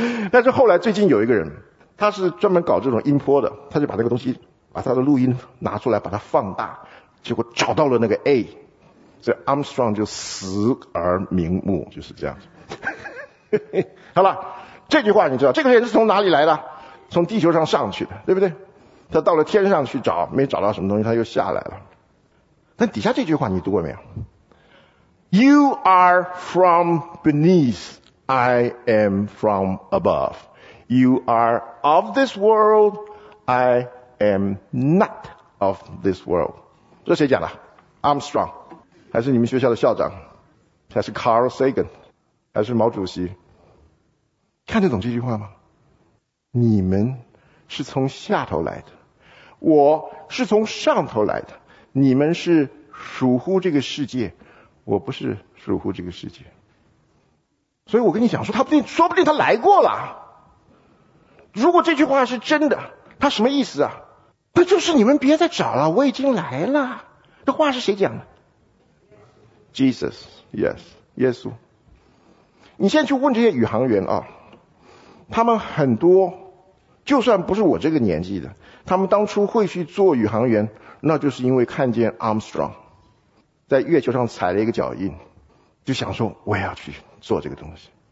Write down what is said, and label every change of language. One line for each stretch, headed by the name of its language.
Chinese: 但是后来最近有一个人，他是专门搞这种音波的，他就把那个东西，把他的录音拿出来把它放大，结果找到了那个 A， 所以 Armstrong 就死而瞑目，就是这样子。好了，这句话你知道，这个人是从哪里来的？从地球上上去的，对不对？他到了天上去找，没找到什么东西，他又下来了。但底下这句话你读过没有？
English: You are from beneath, I am from above. You are of this world, I am not of this world.
Chinese: 这谁讲的？ Armstrong 还是你们学校的校长，还是 Carl Sagan 还是毛主席？看得懂这句话吗？你们是从下头来的，我是从上头来的，你们是属乎这个世界，我不是属乎这个世界。所以我跟你讲说，他不定，说不定他来过了。如果这句话是真的，他什么意思啊？那就是你们别再找了，我已经来了。这话是谁讲的？
English: Jesus， yes，
Chinese: 耶稣。你现在去问这些宇航员啊，他们很多就算不是我这个年纪的，他们当初会去做宇航员，那就是因为看见 Armstrong 在月球上踩了一个脚印，就想说我也要去做这个东西。